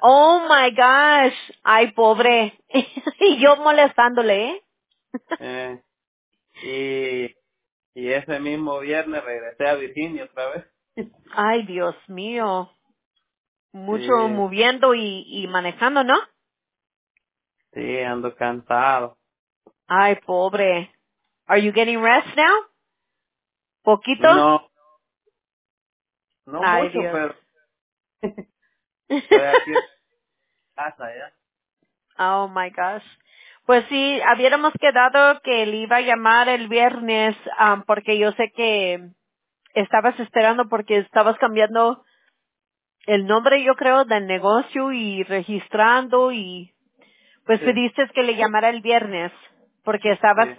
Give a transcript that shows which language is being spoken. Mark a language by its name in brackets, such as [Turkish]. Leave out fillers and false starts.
[English] Oh my gosh, [Spanish] ay pobre, y yo molestándole, Y ese mismo viernes regresé a Virginia otra vez. ay Dios mío, mucho Sí. moviendo y manejando, ¿no? Sí, ando cansado. Ay pobre, [English] are you getting rest now? [Spanish] ¿Poquito? No. No Ay mucho, Dios. pero estoy aquí en casa ya. [English] Oh my gosh. [Spanish] Pues sí, habiéramos quedado que le iba a llamar el viernes, porque yo sé que estabas esperando porque estabas cambiando el nombre, yo creo, del negocio y registrando y pues pediste que le llamara el viernes porque estabas